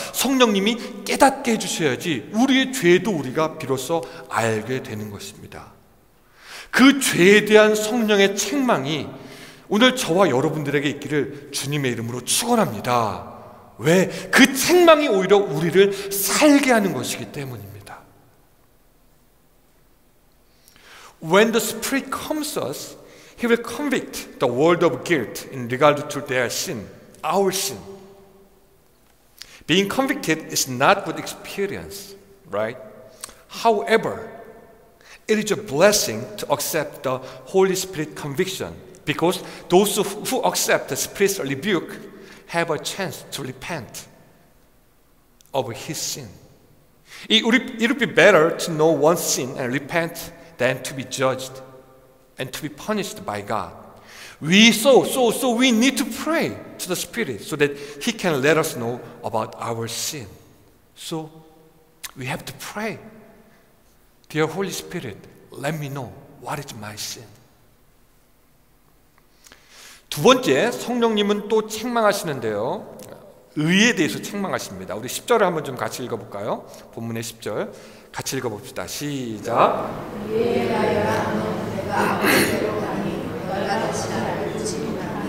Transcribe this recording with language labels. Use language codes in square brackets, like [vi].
[ko] 성령님이 깨닫게 해주셔야지 우리의 죄도 우리가 비로소 알게 되는 것입니다. 그 죄에 대한 성령의 책망이 오늘 저와 여러분들에게 있기를 주님의 이름으로 축원합니다. 왜? 그 책망이 오히려 우리를 살게 하는 것이기 때문입니다. [en] When the Spirit comes us, He will convict the world of guilt in regard to their sin, our sin. Being convicted is not good experience, right? However, it is a blessing to accept the Holy Spirit conviction because those who accept the Spirit's rebuke have a chance to repent of his sin. It would be better to know one's sin and repent than to be judged and to be punished by God. So we need to pray to the Spirit so that he can let us know about our sin. So we have to pray. Dear Holy Spirit, let me know what is my sin. [ko] 두 번째, 성령님은 또 책망하시는데요. 의에 대해서 책망하십니다. 우리 10절을 한번 좀 같이 읽어볼까요? 본문의 10절 같이 읽어봅시다. 시작. 의에 대하여 내가 아버지대로 가니 너희가 다시 나를 부지리라.